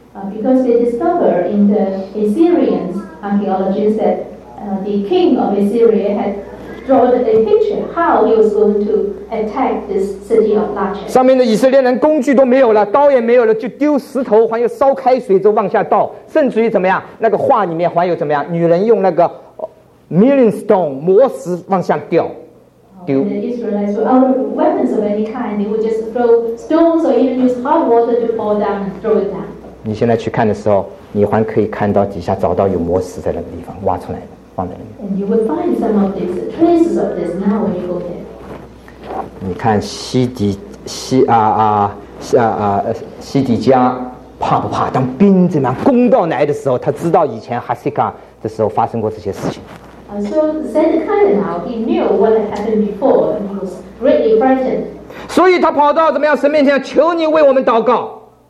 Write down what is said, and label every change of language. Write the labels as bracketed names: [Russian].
[English] Because they discovered in the Assyrian archaeologists that the king of Assyria had drawn a picture how he was going to attack this city of Lachish. [Chinese] 上面的以色列人工具都没有了，刀也没有了，就丢石头，还有烧开水就往下倒，甚至于怎么样？那个画里面还有怎么样？女人用那个 milling stone 磨石往下掉，丢。 [English] The Israelites were out of weapons of any kind. They would just throw stones or even use hot water to fall down and throw it down. [Chinese] 你现在去看的时候，你还可以看到底下找到有磨石在那个地方挖出来的，放在那里。 [English] And you will find some of these traces of this now when you go there. [Chinese] 你看西底家怕不怕？当兵怎么样攻到来的时候，他知道以前哈西卡的时候发生过这些事情。 [English] So Zedekiah now he knew what had happened before and he was greatly frightened. [Chinese] 所以他跑到怎么样神面前，求你为我们祷告。